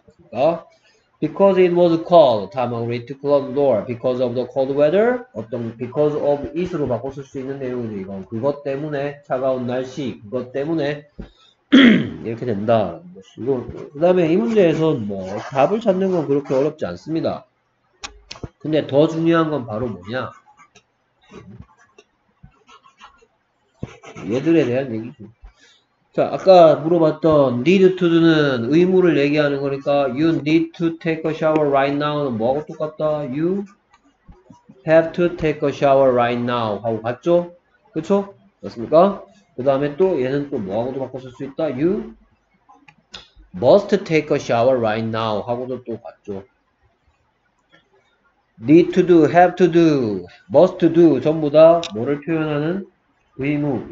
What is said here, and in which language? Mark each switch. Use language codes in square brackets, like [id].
[ko] 그러니까 [en] because it was cold, time agreed to close the door. because of the cold weather, [ko] 어떤 [en] because of it [ko] 으로 바꿔 쓸수 있는 내용이죠. 이건 그것 때문에 차가운 날씨, 그것 때문에 이렇게 된다. 그 다음에 이 문제에서 뭐 답을 찾는 건 그렇게 어렵지 않습니다. 근데 더 중요한 건 바로 뭐냐? 얘들에 대한 얘기죠. 자, 아까 물어봤던 [en] need to do [ko] 는 의무를 얘기하는 거니까 [en] you need to take a shower right now [ko] 는 뭐하고 똑같다? [en] you have to take a shower right now [ko] 하고 같죠? 그쵸? 맞습니까? 그 다음에 또 얘는 또 뭐하고도 바꿔 쓸수 있다? [en] You must take a shower right now [ko] 하고도 또 같죠. [en] Need to do, have to do, must do [ko] 전부 다 뭐를 표현하는? 의무.